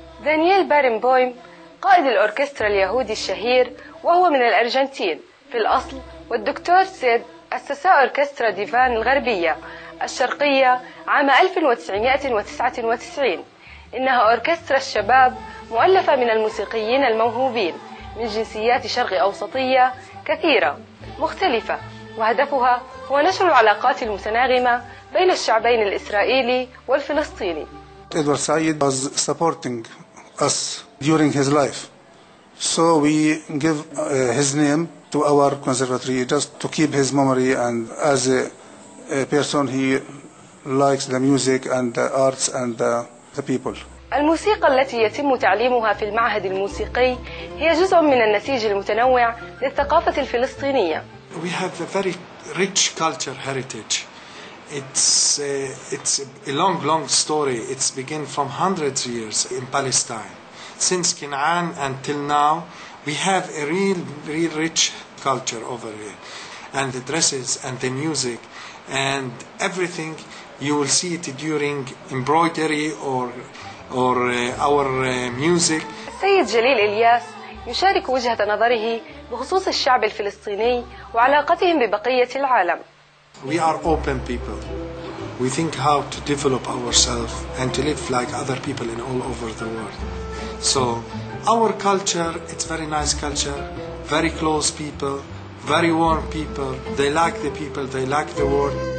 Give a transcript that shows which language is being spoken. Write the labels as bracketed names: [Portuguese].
[Arabic] دانييل بارنبويم قائد الأوركسترا اليهودي الشهير وهو من الأرجنتين في الأصل، والدكتور سيد أسس أوركسترا ديفان الغربية الشرقية عام 1999. إنها أوركسترا الشباب مؤلفة من الموسيقيين الموهوبين من جنسيات شرق أوسطية كثيرة مختلفة، وهدفها هو نشر العلاقات المتناغمة بين الشعبين الإسرائيلي والفلسطيني. [English] Edward Said was supporting us during his life. So we give his name to our conservatory just to keep his memory, and as a person he likes the music and the arts and the people. [Arabic] الموسيقى التي يتم تعليمها في المعهد الموسيقي هي جزء من النسيج المتنوع للثقافة الفلسطينية. [English] We have a very rich culture heritage. It's a long, long story. It's begin from hundreds of years in Palestine. Since Canaan until now, we have a real, real rich culture over here. And the dresses and the music and everything, you will see it during embroidery or our music. [Arabic] السيد جليل إلياس يشارك وجهة نظره بخصوص الشعب الفلسطيني وعلاقتهم ببقية العالم. [English] We are open people. We think how to develop ourselves and to live like other people in all over the world. So our culture, it's very nice culture, very close people, very warm people. They like the people, they like the world.